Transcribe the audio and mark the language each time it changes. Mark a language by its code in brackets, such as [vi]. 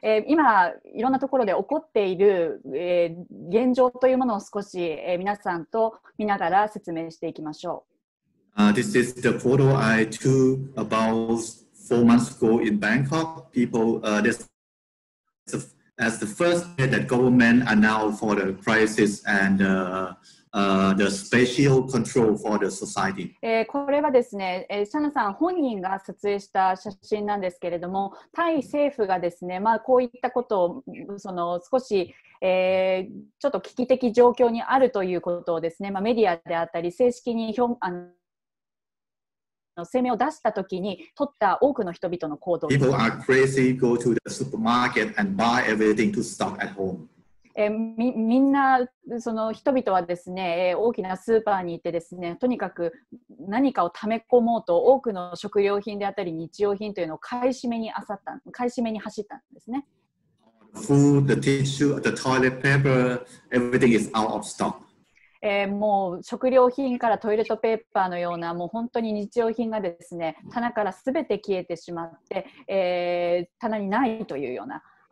[ja] 今いろんなところで起こっている、現状というものを少し、皆さんと見ながら説明していきましょう。 [en] This is the photo I took about 4 months ago in Bangkok. People, this as the first day that government announced for the crisis and the special control for the society. [ja] これはですね、シャナさん本人が撮影した写真なんですけれども、タイ政府がですね、まあ、こういったことをその少し、ちょっと危機的状況にあるということをですね、まあ、メディアであったり正式に声明を出したときに取った多くの人々の行動。 [en] People are crazy, go to the supermarket and buy everything to stock at home. [ja] みんなその人々はですね、大きなスーパーに行ってですね、とにかく何かを溜め込もうと多くの食料品であったり日用品というのを買い占めに走ったんですね。 [en] Food, the tissue, the toilet paper, everything is out of stock. [ja] もう食料品からトイレットペーパーのようなもう本当に日用品がですね、棚からすべて消えてしまって、棚にないというような。